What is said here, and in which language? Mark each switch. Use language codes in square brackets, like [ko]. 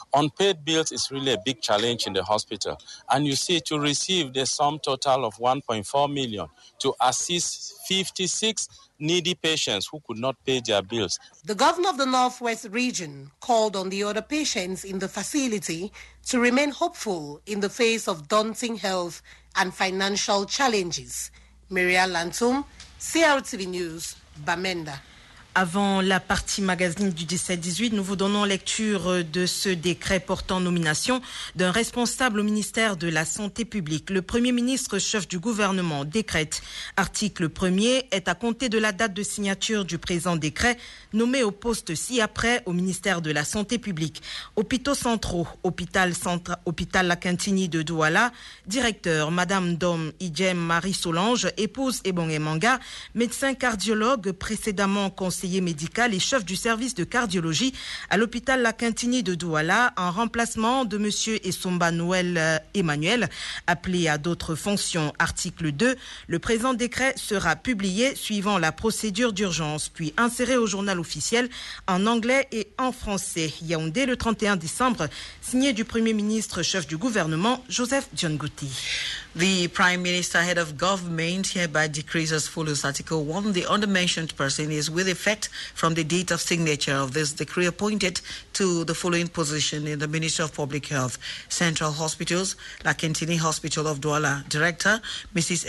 [en] Unpaid bills is really a big challenge in the hospital. And you see, to receive the sum total of 1.4 million to assist 56 needy patients who could not pay their bills. The governor of the Northwest region called on the other patients in the facility to remain hopeful in the face of daunting health and financial challenges. Maria Lantum, CRTV News, Bamenda. [fr] Avant la partie magazine du 17-18, nous vous donnons lecture de ce décret portant nomination d'un responsable au ministère de la Santé publique. Le Premier ministre, chef du gouvernement, décrète. Article 1er est à compter de la date de signature du présent décret, nommé au poste ci-après au ministère de la Santé publique. Hôpitaux centraux, hôpital Lakintini de Douala, directeur, Madame Dom Idjem Marie Solange, épouse Ebonge Manga, médecin cardiologue précédemment conseiller médical et chef du service de cardiologie à l'hôpital Lakintini de Douala en remplacement de M. Essomba Noël Emmanuel, appelé à d'autres fonctions. Article 2, le présent décret sera publié suivant la procédure d'urgence, puis inséré au journal officiel en anglais et en français. Yaoundé, le 31 décembre, signé du Premier ministre, chef du gouvernement, Joseph Diongouti. [en] The Prime Minister, head of government, hereby decrees as follows. Article 1, the undermentioned person is with effect from the date of signature of this decree appointed to the following position in the Ministry of Public Health, Central Hospitals, Lakintini Hospital of Douala, Director, Mrs.